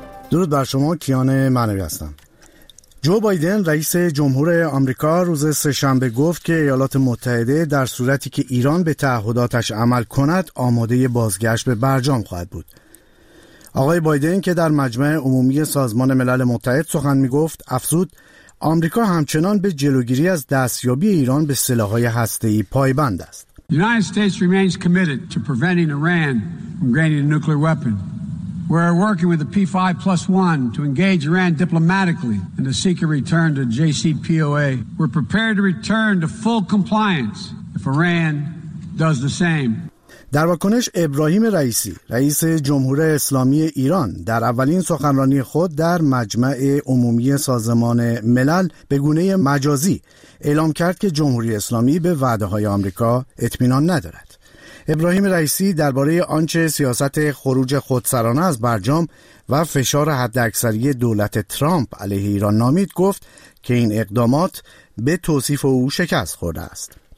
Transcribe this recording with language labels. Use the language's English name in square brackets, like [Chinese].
[Persian] درود بر شما، کیان معنوی هستم. جو بایدن رئیس جمهور آمریکا روز سه‌شنبه گفت که ایالات متحده در صورتی که ایران به تعهداتش عمل کند آماده بازگشت به برجام خواهد بود. آقای بایدن که در مجمع عمومی سازمان ملل متحد سخن میگفت افزود آمریکا همچنان به جلوگیری از دستیابی ایران به سلاح‌های هسته‌ای پایبند است. [English] United States remains committed to preventing Iran from gaining a nuclear weapon. We're working with the P5 plus 1 to engage Iran diplomatically and to seek a return to JCPOA. We're prepared to return to full compliance if Iran does the same. [Persian] در واکنش ابراهیم رئیسی، رئیس جمهور اسلامی ایران، در اولین سخنرانی خود در مجمع عمومی سازمان ملل به گونه مجازی اعلام کرد که جمهوری اسلامی به وعده‌های آمریکا اطمینان ندارد. ابراهیم رئیسی درباره آنچه سیاست خروج خودسرانه از برجام و فشار حداکثری دولت ترامپ علیه ایران نامید گفت که این اقدامات به توصیف او شکست خورده است.